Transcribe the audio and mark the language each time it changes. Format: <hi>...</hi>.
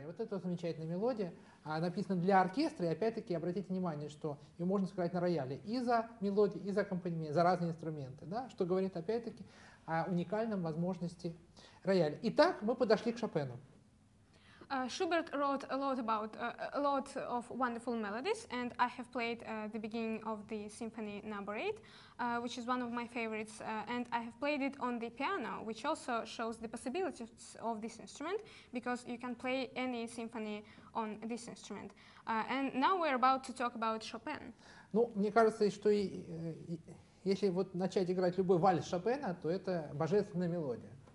<ru>Замечательная мелодия, написана для оркестра, и опять-таки обратите внимание, что ее можно сыграть на рояле и за мелодию, и за аккомпанемент, за разные инструменты, да? Что говорит опять-таки о уникальном возможности рояля. Итак, мы подошли к Шопену.</ru> <en>Schubert wrote a lot about a lot of wonderful melodies, and I have played the beginning of the symphony number 8, which is one of my favorites, and I have played it on the piano, which also shows the possibilities of this instrument, because you can play any symphony on this instrument. And now we're about to talk about Chopin.</en> <ru>Ну, мне кажется, что если вот начать играть любой вальс Шопена, то это божественная мелодия.</ru>